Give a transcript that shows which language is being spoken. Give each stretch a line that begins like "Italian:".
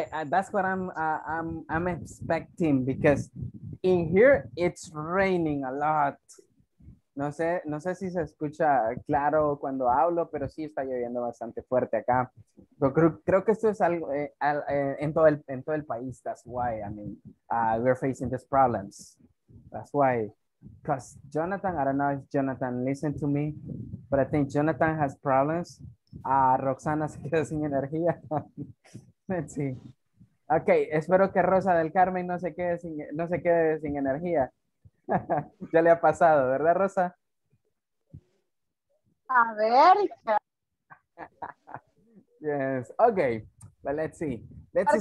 English: That's what I'm expecting because in here it's raining a lot.
Spanish: No sé si se escucha claro cuando hablo, pero sí está lloviendo bastante fuerte acá. Pero creo que esto es algo en todo el país.
English: That's why we're facing these problems. That's why, because Jonathan, I don't know if Jonathan listened to me, but I think Jonathan has problems.
Spanish: Roxana se queda sin energía.
English: Let's see.
Spanish: Okay, espero que Rosa del Carmen no se quede sin energía. Ya le ha pasado, ¿verdad, Rosa? A ver.
English: Yes, okay. Well, let's see. Let's